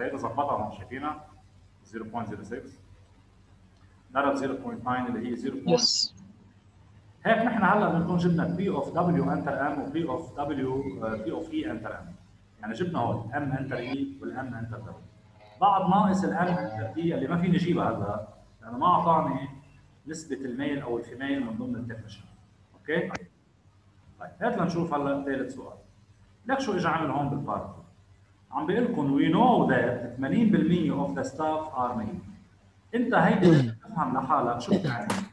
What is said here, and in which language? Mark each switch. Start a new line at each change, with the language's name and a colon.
Arabic: هيدا ظبطها هون، شايفينها 0.06 ضرب 0.9 اللي هي 0.6. هيك نحن هلا بنكون جبنا P of W enter M و P of W P of E enter M. يعني جبنا هول M enter E وال M enter W. بعد ناقص ال M enter E اللي ما في نجيبها هلا لأنه ما أعطاني نسبة الميل أو الفيميل من ضمن التكنيشن. أوكي؟ طيب هات لنشوف هلا ثالث سؤال. لك شو إجا عامل هون بالبارت؟ عم بيقول لكم
English: We know that 80% of the staff are men.
Arabic: انت هيدي تفهم لحالك شو بتعمل.